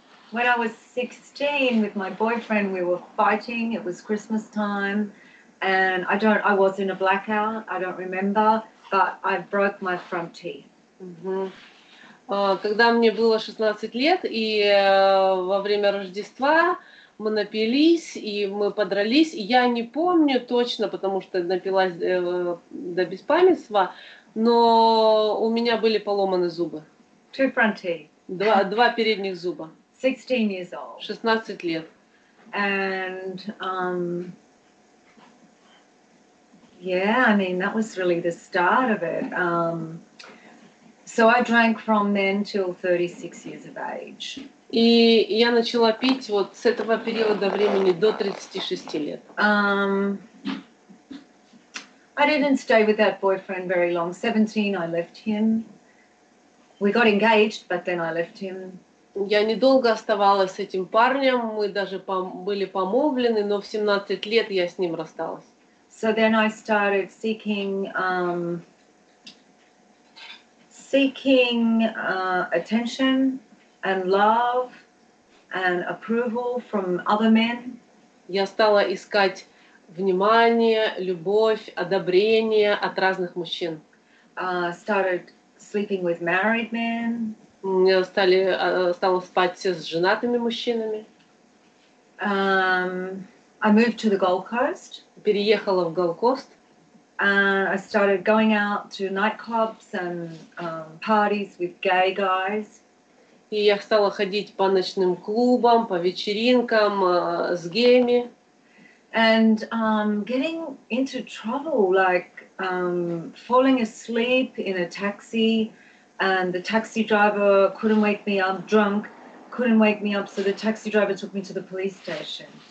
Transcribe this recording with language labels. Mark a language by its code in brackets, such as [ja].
[en] When I was 16 with my boyfriend, we were fighting. It was Christmas time, and I was in a blackout. I don't remember, but I broke my front teeth. [ru] Когда мне было 16 лет, и во время Рождества мы напились, и мы подрались, и я не помню точно, потому что напилась до беспамятства, но у меня были поломаны зубы. [en] Two front teeth. [ru] Два передних зуба. [en] 16 years old. [ru] 16 лет. [en] And yeah, I mean that was really the start of it. So I drank from then till 36 years of age. [ru] И я начала пить вот с этого периода времени до 36 лет. [en] I didn't stay with that boyfriend very long. 17, I left him. We got engaged, but then I left him. [ru] Я недолго оставалась с этим парнем, мы даже были помолвлены, но в 17 лет я с ним рассталась. [en] So then I started seeking attention and love and approval from other men. [ru] Я стала искать внимание, любовь, одобрение от разных мужчин. [en] Started sleeping with married men. [ru] Стала спать с женатыми мужчинами. [en] I moved to the Gold Coast. [ru] Переехала в Голкост. [en] I started going out to nightclubs and parties with gay guys. [ru] И я стала ходить по ночным клубам, по вечеринкам, с геями. [en] And getting into trouble, like falling asleep in a taxi, and the taxi driver couldn't wake me up, drunk, couldn't wake me up, so the taxi driver took me to the police station.